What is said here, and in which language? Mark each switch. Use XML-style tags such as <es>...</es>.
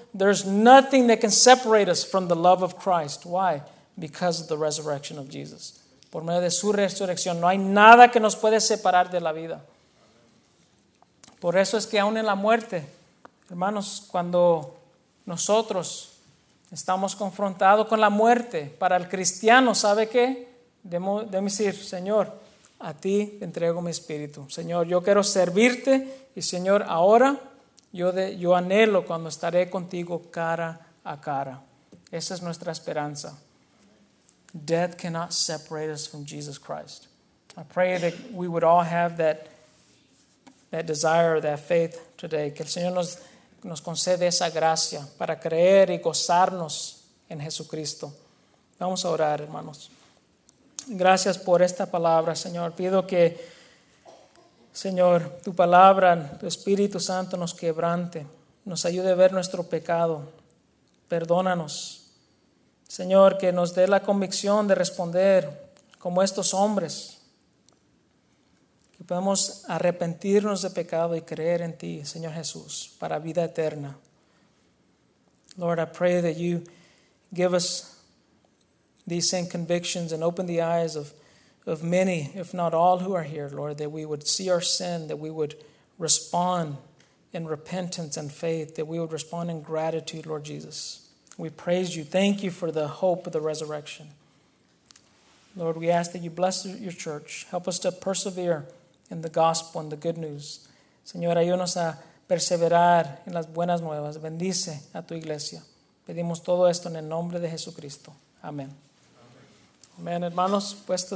<en>There's nothing that can separate us from the love of Christ. Why? Because of the resurrection of Jesus.</en> <es>Por medio de su resurrección, no hay nada que nos puede separar de la vida. Por eso es que aún en la muerte, hermanos, cuando nosotros estamos confrontados con la muerte, para el cristiano, ¿sabe qué? Debemos decir, Señor, a ti entrego mi espíritu. Señor, yo quiero servirte y Señor, ahora yo anhelo cuando estaré contigo cara a cara. Esa es nuestra esperanza.</es> <en>Death cannot separate us from Jesus Christ. I pray that we would all have that desire, that faith today.</en> <es>Que el Señor nos concede esa gracia para creer y gozarnos en Jesucristo. Vamos a orar, hermanos. Gracias por esta palabra, Señor. Pido que, Señor, tu palabra, tu Espíritu Santo nos quebrante, nos ayude a ver nuestro pecado. Perdónanos. Señor, que nos dé la convicción de responder como estos hombres. Que podamos arrepentirnos de pecado y creer en ti, Señor Jesús, para vida eterna.</es> <en>Lord, I pray that you give us these same convictions and open the eyes of many, if not all, who are here, Lord, that we would see our sin, that we would respond in repentance and faith, that we would respond in gratitude, Lord Jesus. We praise you. Thank you for the hope of the resurrection. Lord, we ask that you bless your church. Help us to persevere in the gospel and the good news.</en> <es>Señor, ayúdanos a perseverar en las buenas nuevas. Bendice a tu iglesia. Pedimos todo esto en el nombre de Jesucristo. Amén. Amén, hermanos, puestos de</es>